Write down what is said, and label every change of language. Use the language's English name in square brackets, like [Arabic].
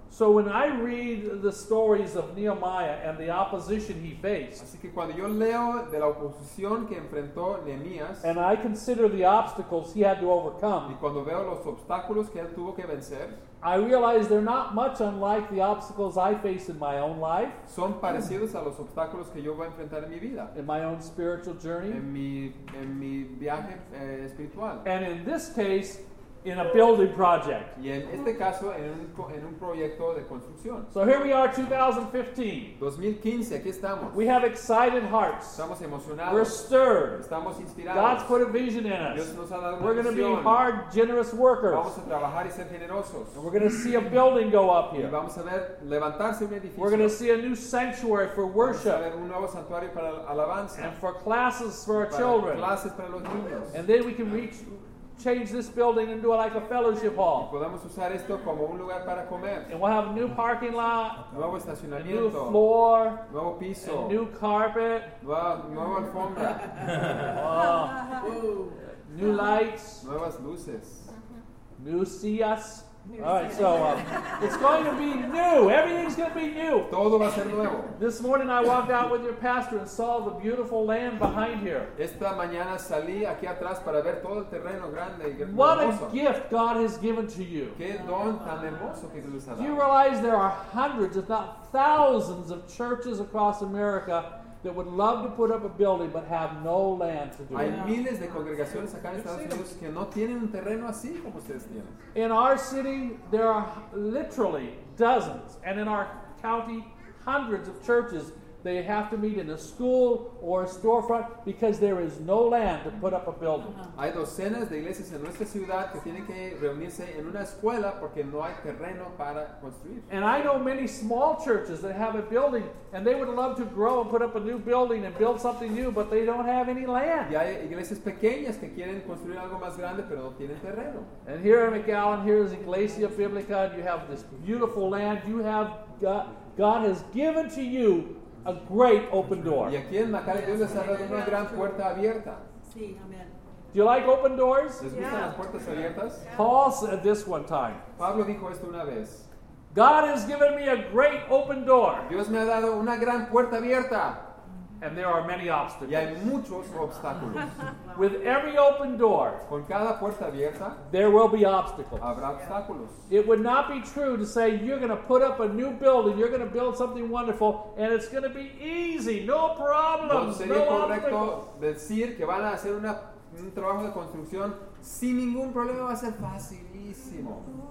[English] So when I read the stories of Nehemiah and the opposition he faced. [Spanish] Así que cuando yo leo de la oposición que enfrentó Nehemías, [English] and I consider the obstacles he had to overcome. [Spanish] Y cuando veo los obstáculos que él tuvo que vencer, [English] I realize they're not much unlike the obstacles I face in my own life. [Spanish] Son parecidos a los obstáculos que yo voy a enfrentar en mi vida. [English] In my own spiritual journey. [Spanish] En mi viaje espiritual. [English] And in this case, in a building project. [Spanish] Y en este caso, en un proyecto de construcción. [English] So here we are, 2015. [Spanish] Aquí estamos. [English] We have excited hearts. [Spanish] Estamos emocionados. [English] We're stirred. [Spanish] Estamos inspirados. [English] God's put a vision in us. [Spanish] Dios nos ha dado una [English] we're going to be hard, generous workers. [Spanish] Vamos a trabajar y ser generosos. [English] And we're going to see a building go up here. [Spanish] Y vamos a ver levantarse un edificio. [English] We're going to see a new sanctuary for worship. [Spanish] Vamos a ver un nuevo santuario para alabanza. [English] And for classes for our children. [Spanish] Clases para los niños. [English] And then we can reach. Change this building and do it like a fellowship hall. [Spanish] Podemos usar esto como un lugar para comer. [English] And we'll have a new parking lot, [Spanish] nuevo estacionamiento, [English] a new floor, [Spanish] nuevo piso, [English] a new carpet, [Spanish] nueva alfombra, [English] new lights, [Spanish] nuevas luces, [English] new sillas. Alright, so it's going to be new. Everything's going to be new. [Spanish] Todo va a ser nuevo. [English] This morning I walked out with your pastor and saw the beautiful land behind here. [Spanish] Esta mañana salí aquí atrás para ver todo el terreno grande y hermoso. [English] What a gift God has given to you. [Spanish] Qué don tan hermoso que Dios ha dado. [English] Do you realize there are hundreds, if not thousands, of churches across America that would love to put up a building but have no land to do it. [Spanish] Hay miles de congregaciones acá en Estados Unidos que no tienen un terreno así como ustedes tienen. [English] In our city, there are literally dozens, and in our county, hundreds of churches. They have to meet in a school or a storefront because there is no land to put up a building. [Spanish] Hay docenas de iglesias en nuestra ciudad que tienen que reunirse en una escuela porque no hay terreno para construir. [English] And I know many small churches that have a building and they would love to grow and put up a new building and build something new, but they don't have any land. [Spanish] Y hay iglesias pequeñas que quieren construir algo más grande pero no tienen terreno. [English] And here in McAllen, here is Iglesia Biblica, and you have this beautiful land. You have God has given to you a great open door. [Spanish] Y aquí en Macaré, Dios les ha dado una gran puerta abierta. Sí, amen. [English] Do you like open doors? [Spanish] ¿Les gustan las puertas abiertas? [English] Paul said this one time. [Spanish] Pablo dijo esto una vez. [English] God has given me a great open door. [Spanish] Dios me ha dado una gran puerta abierta. [English] And there are many obstacles. [Spanish] Y hay muchos obstáculos. [English] With every open door, [Spanish] con cada puerta abierta, [English] there will be obstacles. [Spanish] Habrá obstáculos. [English] It would not be true to say you're going to put up a new building, you're going to build something wonderful, and it's going to be easy, no problems, no obstacles. [Spanish] Sería correcto decir que van a hacer un trabajo de construcción sin ningún problema, va a ser facilísimo.